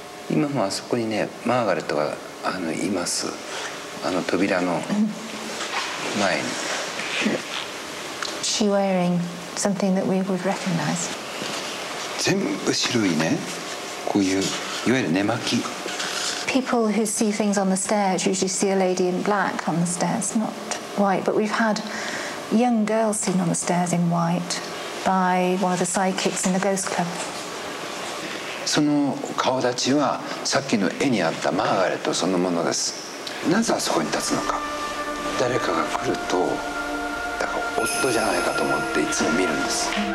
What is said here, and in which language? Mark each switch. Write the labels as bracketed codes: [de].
[ja] 今もあそこにねマーガレットがあのいます、あの扉の前に。 [en] She wearing something that we would recognize. [ja] 全部白いね、こういういわゆる寝巻き。 [en] People who see things on the stairs usually see a lady in black on the stairs, not white. But we've had young girls seen on the stairs in white by one of the psychics in the ghost club. [ja] その顔立ちはさっきの絵にあったマーガレットそのものです。なぜあそこに立つのか。誰かが来ると、だから夫じゃないかと思っていつも見るんです。